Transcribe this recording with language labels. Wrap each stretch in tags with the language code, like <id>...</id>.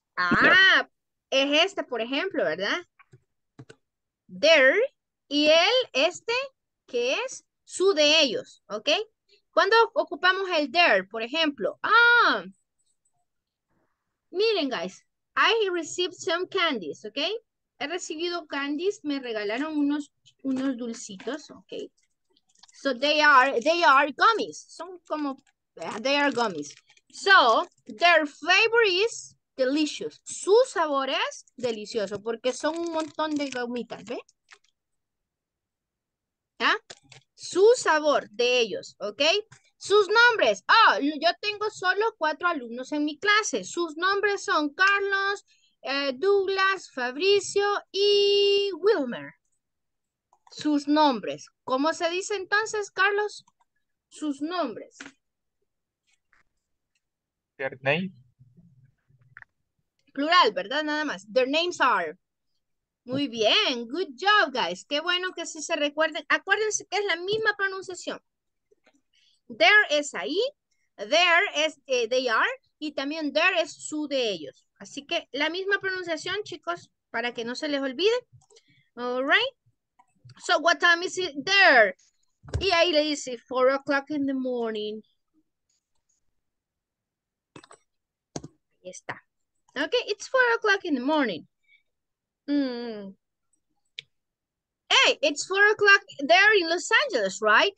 <es>Ah, there. Es este, por ejemplo, ¿verdad? There, y el este, que es su de ellos, ¿ok? Cuando ocupamos el there, por ejemplo, miren, guys,</es> <en>I received some candies,</en> <es>¿ok? He recibido candies, me regalaron unos dulcitos, ¿ok?</es> <en>So, they are gummies,</en> <es>son como,</es> <en>they are gummies. So, their flavor is... delicious.</en> <es>Su sabor es delicioso porque son un montón de gomitas, ¿ve? ¿Ah? Su sabor de ellos, ¿ok? Sus nombres. Ah, oh, yo tengo solo cuatro alumnos en mi clase. Sus nombres son Carlos, Douglas, Fabricio y Wilmer. Sus nombres. ¿Cómo se dice entonces, Carlos? Sus nombres.</es> <en>Their name.</en> <es>Plural, ¿verdad? Nada más.</es> <en>Their names are.</en> <es>Muy bien.</es> <en>Good job, guys.</en> <es>Qué bueno que sí se recuerden. Acuérdense que es la misma pronunciación. There es ahí. There es they are. Y también there es su de ellos. Así que la misma pronunciación, chicos, para que no se les olvide.</es> <en>All right. So, what time is it there?</en> <es>Y ahí le dice,</es> <en>4 o'clock in the morning.</en> <es>Ahí está.</es> <en>Okay, it's 4 o'clock in the morning. Hey, it's 4 o'clock there in Los Angeles, right?</en>